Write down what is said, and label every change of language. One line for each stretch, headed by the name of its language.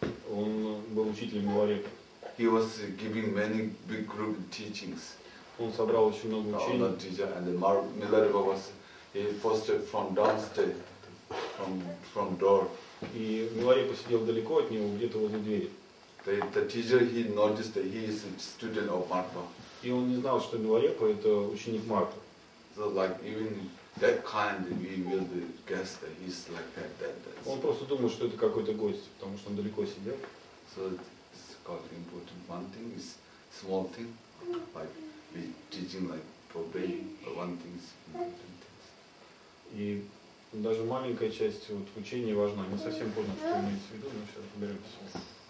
Russian: Он был учителем Миларепы.
English: He was giving many big group teachings.
Russian: Он собрал очень много учений.
English: The teacher and Milarepa was he posted from downstairs, from door.
Russian: И Миларепа сидел далеко от него, где-то возле двери.
English: The teacher he noticed that he is a student of Marpa. И он не знал, что Миларепа это ученик Марпа. So like even that kind we will guess that he's like that. That's.
Russian: Он просто думал, что это какой-то гость, потому что он далеко сидел.
English: So called important one thing is small thing, like we teaching like for baby, but one thing is important things.
Russian: И даже маленькая часть вот учения важна. Не совсем поздно, что имеется в виду, но сейчас разберемся.